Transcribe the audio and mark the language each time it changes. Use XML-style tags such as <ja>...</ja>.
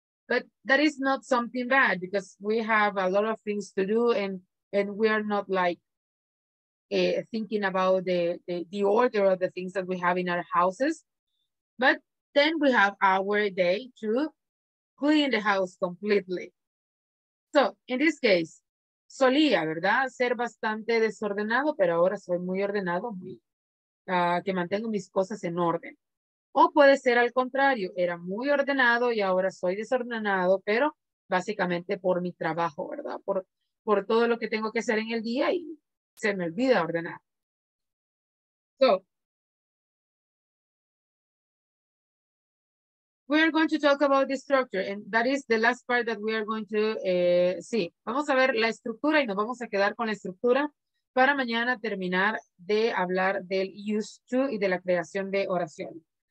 <en>But that is not something bad because we have a lot of things to do, and we are not like thinking about the order of the things that we have in our houses. But then we have our day to clean the house completely. So in this case,</en> <es>solía, ¿verdad? Ser bastante desordenado, pero ahora soy muy ordenado, que mantengo mis cosas en orden. O puede ser al contrario, era muy ordenado y ahora soy desordenado, pero básicamente por mi trabajo, ¿verdad? Por todo lo que tengo que hacer en el día y se me olvida ordenar.</es> <en>So, we are going to talk about the structure, and that is the last part that we are going to see.</en> <es>Vamos a ver la estructura y nos vamos a quedar con la estructura para mañana terminar de hablar del use to y de la creación de oración.</es>